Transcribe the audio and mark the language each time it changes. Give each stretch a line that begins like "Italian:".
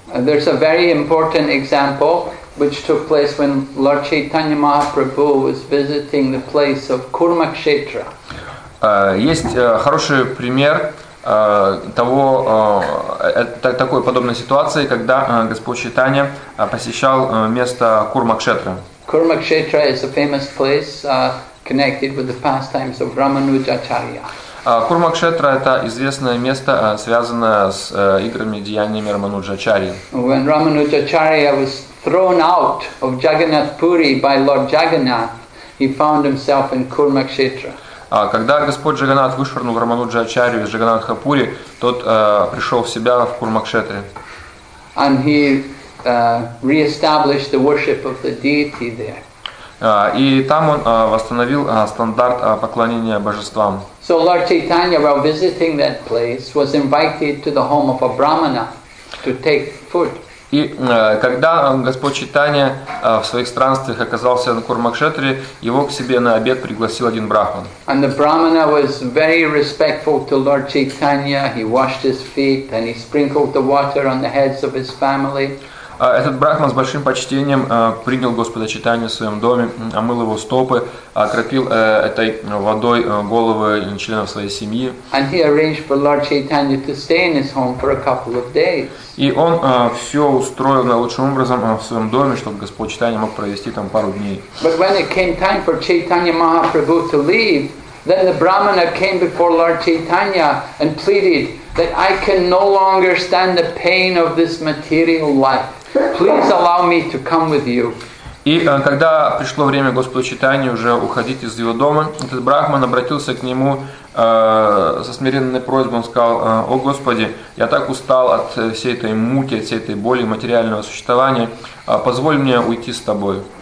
English: There's a very important example which took place when Lord Chaitanya Mahaprabhu was visiting the place of Kurmakshetra.
Russian: Есть хороший пример того, такой подобной ситуации, когда Господь Чайтанья посещал место Курмакшетра.
English: Курмакшетра is a famous place connected with the pastimes of Рамануджачарья.
Russian: Курмакшетра – это известное место, связанное с играми и деяниями Рамануджачарьи.
English: When Рамануджачарья was thrown out of Jagannath Puri by Lord Jagannath, he found himself in Kurmakshetra.
Russian: Когда Господь Джаганнат вышвырнул Рамануджачарью из Джаганнатхапури, тот пришел в себя в Курмакшетре.
English: And he re-established the worship of the deity there.
Russian: И там он восстановил стандарт поклонения божествам.
English: So Lord Chaitanya, while visiting that place, was invited to the home of a brahmana to take food.
Russian: И когда Господь Чайтанья в своих странствиях оказался на Курмакшетре, его к себе на обед пригласил один брахман.
English: And the brahmana was very respectful to Lord Chaitanya. He washed his feet and he sprinkled the water on the heads of his family.
Russian: Этот брахман с большим почтением принял Господа Чайтанью в своем доме, омыл его стопы, окропил этой водой головы членов своей семьи.
English: And he arranged for Lord Chaitanya to stay in his home for a couple of days.
Russian: И он все устроил наилучшим образом в своем доме, чтобы Господь Чайтанья мог провести там пару дней.
English: But when it came time for Chaitanya Mahaprabhu to leave, then the brahmana came before Lord Chaitanya and pleaded that I can no longer stand the pain of this material life. Please allow me to come with you.
Russian: И когда пришло время Господу Чайтанье уже уходить из его дома, этот брахман обратился к нему со смиренной просьбой. Он сказал: «О Господи, я так устал от всей этой муки, от всей этой боли материального существования. Позволь мне уйти с тобой».